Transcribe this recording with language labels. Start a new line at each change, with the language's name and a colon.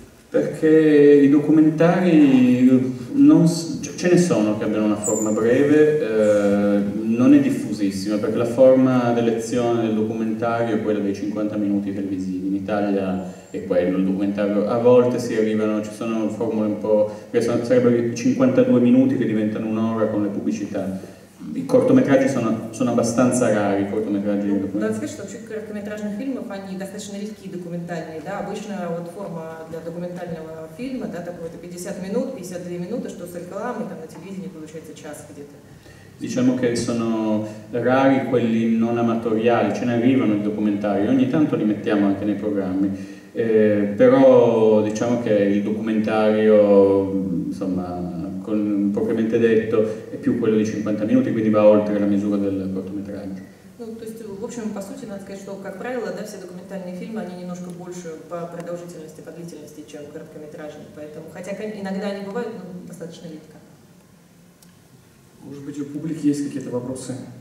Italian: Perché i documentari non, ce ne sono che abbiano una forma breve, non è diffusissima, perché la forma d'elezione del documentario è quella dei 50 minuti televisivi. In Italia è quello il documentario. A volte si arrivano, ci sono formule un po'. Sarebbero 52 minuti che diventano un'ora con le pubblicità. I cortometraggi sono abbastanza rari, i cortometraggi di documentari.
Russian: Надо сказать, что вообще короткометражные фильмы, они достаточно редкие документальные, да, обычно вот форма для документального фильма, да, такой это 50 минут, 52 минуты, что с рекламой, там на телевидении получается час где-то.
Italian: Diciamo che sono rari quelli non amatoriali, ce ne arrivano i documentari, ogni tanto li mettiamo anche nei programmi. Però diciamo che il documentario, insomma, con, propriamente detto, è più quello di 50 minuti, quindi va oltre la misura del cortometraggio.
Russian: Ну, то есть, в общем, по сути, надо сказать, что, как правило, да, все документальные фильмы, они немножко больше по продолжительности, по длительности, чем короткометражные, поэтому, хотя иногда они бывают, но достаточно редко. Может быть, у публики есть какие-то вопросы?